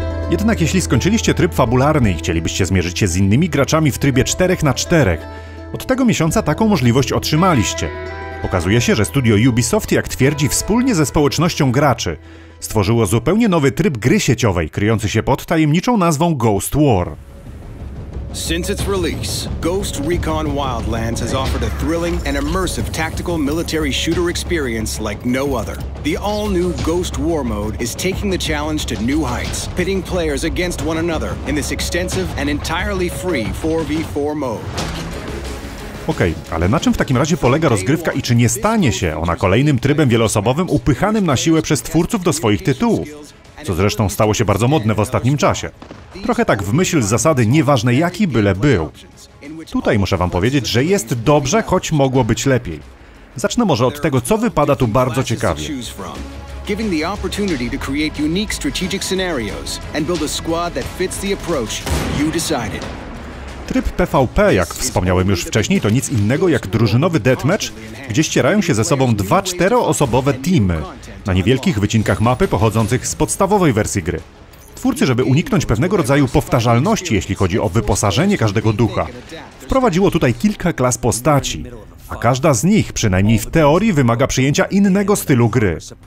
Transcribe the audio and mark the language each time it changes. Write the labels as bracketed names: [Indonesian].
[Polish] Jednak jeśli skończyliście tryb fabularny i chcielibyście zmierzyć się z innymi graczami w trybie 4x4, od tego miesiąca taką możliwość otrzymaliście. Okazuje się, że studio Ubisoft, jak twierdzi, wspólnie ze społecznością graczy, stworzyło zupełnie nowy tryb gry sieciowej, kryjący się pod tajemniczą nazwą Ghost War. [English] Since its release, Ghost Recon Wildlands has offered a thrilling and immersive tactical military shooter experience like no other. The all-new Ghost War mode is taking the challenge to new heights, pitting players against one another in this extensive and entirely free 4v4 mode. [Polish] Okej, ale na czym w takim razie polega rozgrywka i czy nie stanie się ona kolejnym trybem wieloosobowym upychanym na siłę przez twórców do swoich tytułów? Co zresztą stało się bardzo modne w ostatnim czasie. Trochę tak w myśl zasady nieważne jaki byle był. Tutaj muszę wam powiedzieć, że jest dobrze, choć mogło być lepiej. Zacznę może od tego, co wypada tu bardzo ciekawie. [English] Giving the opportunity to create unique strategic scenarios and build a squad that fits the approach you decided. [Polish] Tryb PvP, jak wspomniałem już wcześniej, to nic innego jak drużynowy deathmatch, gdzie ścierają się ze sobą dwa czteroosobowe teamy na niewielkich wycinkach mapy pochodzących z podstawowej wersji gry. Twórcy, żeby uniknąć pewnego rodzaju powtarzalności, jeśli chodzi o wyposażenie każdego ducha, wprowadziło tutaj kilka klas postaci, a każda z nich, przynajmniej w teorii, wymaga przyjęcia innego stylu gry.